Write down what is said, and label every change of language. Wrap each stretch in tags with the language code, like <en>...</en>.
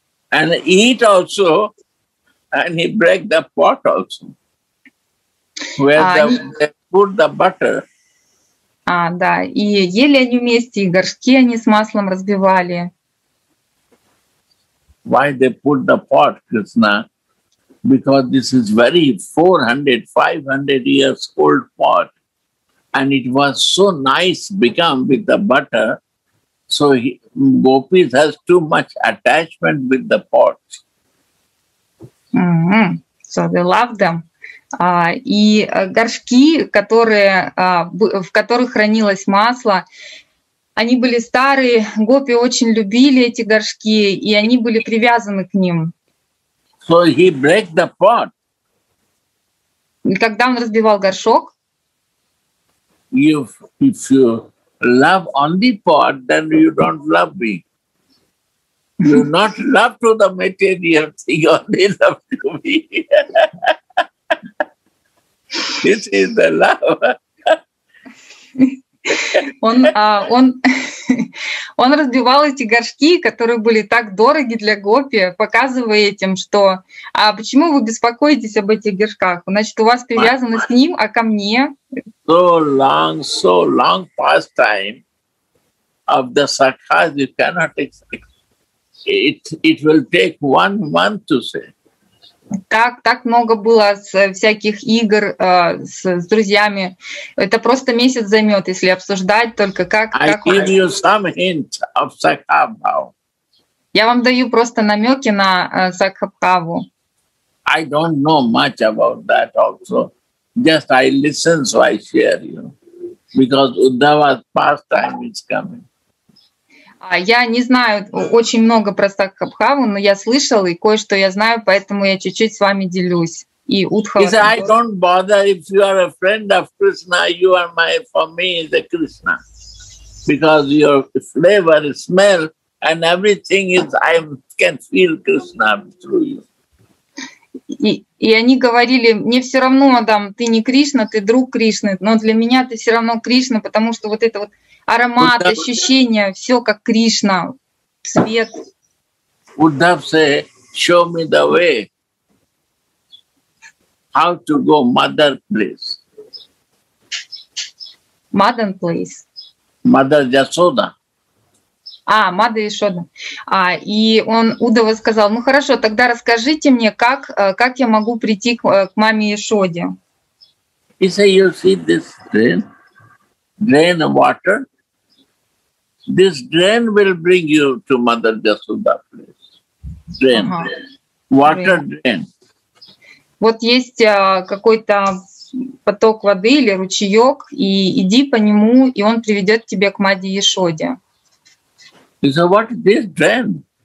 <en>And eat also, and he break the pot also, they put the butter.</en> <ru>Да, и ели они вместе, и горшки они с маслом разбивали.</ru> <en>Why they put the pot, Krishna? Because this is very 400-500 years old pot, and it was so nice become with the butter, so gopis has too much attachment with the pot. Mm-hmm. So they love them.</en> <ru>И горшки, которые в которых хранилось масло, они были старые. Гопи очень любили эти горшки, и они были привязаны к ним.</ru> <en>So he break the pot.</en> <ru>И когда он разбивал горшок?</ru> <en>If you love only pot, then you don't love me. You not love to the material thing, only love to me. This is the love.</en> <ru>Он разбивал эти горшки, которые были так дороги для гопи, показывая этим, что почему вы беспокоитесь об этих горшках? Значит, у вас привязано с ним, а ко мне?</ru> <en>So long past time of the sakhas, you cannot expect. It will take 1 month to say.</en> <ru>Так много было с всяких игр с друзьями. Это просто месяц займет, если обсуждать только как.</ru> <en>I give you some hint of Sakhabhav.</en> <ru>Я вам даю просто намеки на Сакхабхаву.</ru> <en>I don't know much about that also. Just I listen, so I share you. Because Uddhava's pastime is coming.</en> <ru>Я не знаю очень много про Сакхабхаву, но я слышал и кое-что я знаю, поэтому я чуть-чуть с вами делюсь. И Удхава.</ru> <en>Said, I don't bother if you are a friend of Krishna, you are my for me the Krishna, because your flavor, smell, and everything is I can feel Krishna through you.</en> <ru>И они говорили, мне все равно, Адам, ты не Кришна, ты друг Кришны, но для меня ты все равно Кришна, потому что вот это вот аромат, ощущение, все как Кришна, свет.</ru> <en>Uddhav say, show me the way, how to go mother place. Mother place. Mother Yasoda.</en> <ru>А, Мада Ешода. А, и он Удава сказал, ну хорошо, тогда расскажите мне, как я могу прийти к маме Ешоде.</ru> <en>He said, you see this drain of water? This drain will bring you to Mother Yashoda place. Drain, ага. Water drain.</en> <ru>Вот есть какой-то поток воды или ручеек, и иди по нему, и он приведет тебя к Маде Ешоде.</ru> <en>So what is this drain?</en>